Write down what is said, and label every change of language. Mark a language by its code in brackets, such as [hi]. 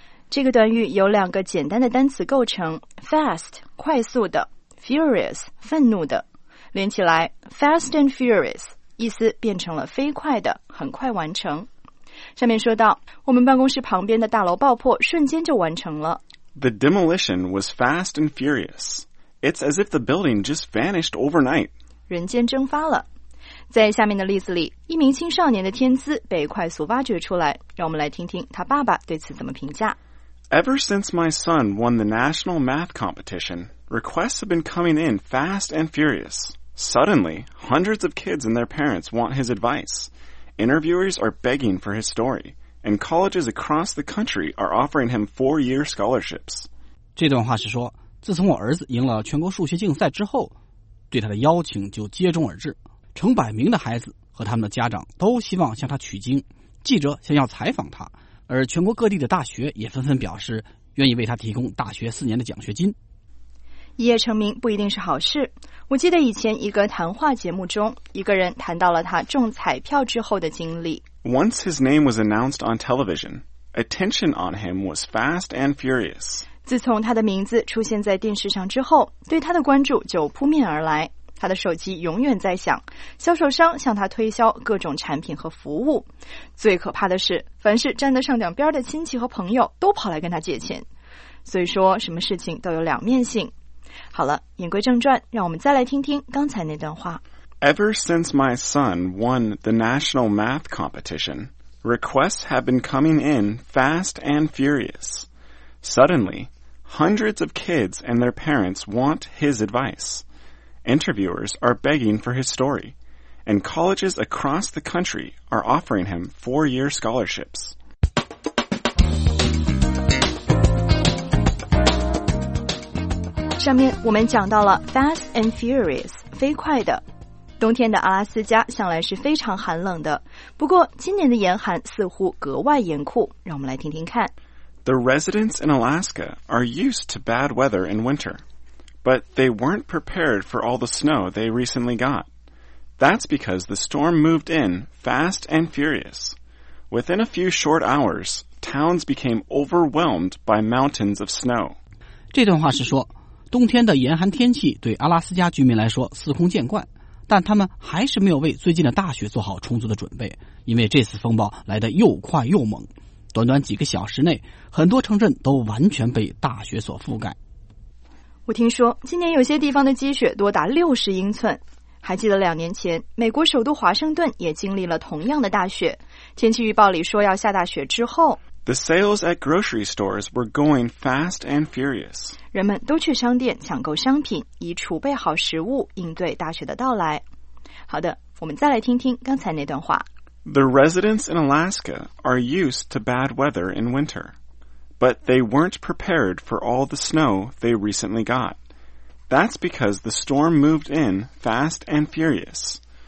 [zh] 这个短语由两个简单的单词构成， Fast 快速的， Furious 愤怒的，连起来 Fast and furious 意思变成了飞快的，很快完成。上面说到，我们办公室旁边的大楼爆破瞬间就完成了。 [en] The demolition was fast and furious. It's as if the building just vanished overnight. [zh] 人间蒸发了。在下面的例子里，一名青少年的天资被快速挖掘出来，让我们来听听他爸爸对此怎么评价。 [en] Ever since my son won the national math competition, requests have been coming in fast and furious. Suddenly, hundreds of kids and their parents want his advice. Interviewers are begging for his story, and colleges across the country are offering him 4-year scholarships. [zh] 这段话是说，自从我儿子赢了全国数学竞赛之后，对他的邀请就接踵而至。成百名的孩子和他们的家长都希望向他取经，记者想要采访他，而全国各地的大学也纷纷表示愿意为他提供大学4年的奖学金。一夜成名不一定是好事。我记得以前一个谈话节目中，一个人谈到了他中彩票之后的经历。 [en] Once his name was announced on television, attention on him was fast and furious. [zh] 自从他的名字出现在电视上之后，对他的关注就扑面而来。他的手机永远在响，销售商向他推销各种产品和服务。最可怕的是，凡是沾得上两边的亲戚和朋友都跑来跟他借钱。所以说，什么事情都有两面性。好了，言归正传，让我们再来听听刚才那段话。 [en] Ever since my son won the national math competition, requests have been coming in fast and furious. Suddenly, hundreds of kids and their parents want his advice. Interviewers are begging for his story, and colleges across the country are offering him 4-year scholarships. [zh] 上面我们讲到了 fast and furious, 飞快的。冬天的阿拉斯加向来是非常寒冷的，不过今年的严寒似乎格外严酷，让我们来听听看。 [en] The residents in Alaska are used to bad weather in winter, but they weren't prepared for all the snow they recently got. That's because the storm moved in fast and furious. Within a few short hours, towns became overwhelmed by mountains of snow. [zh] 这段话是说冬天的严寒天气对阿拉斯加居民来说司空见惯，但他们还是没有为最近的大雪做好充足的准备，因为这次风暴来得又快又猛，短短几个小时内，很多城镇都完全被大雪所覆盖。我听说今年有些地方的积雪多达60英寸，还记得2年前美国首都华盛顿也经历了同样的大雪，天气预报里说要下大雪之后， [en] The sales at grocery stores were going fast and furious. [zh] 人们都去商店抢购商品，以储备好食物应对大雪的到来。好的，我们再来听听刚才那段话。 [en] The residents in Alaska are used to bad weather in winter, but they weren't prepared for all the snow they recently got. That's because the storm moved in fast and furious.